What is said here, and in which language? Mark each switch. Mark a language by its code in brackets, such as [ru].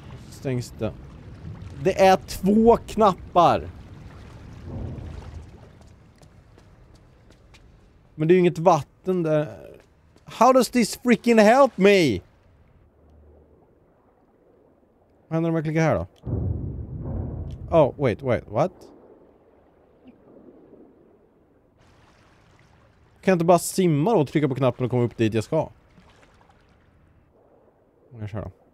[sv] Stängs den. Det är 2 knappar! Men det är ju inget vatten där. [en] How does this freaking help me? [sv] Vad händer om jag klickar här då? [en] Oh, wait, what? [sv] Kan jag inte bara simma då och trycka på knappen och komma upp dit jag ska? Jag kör då.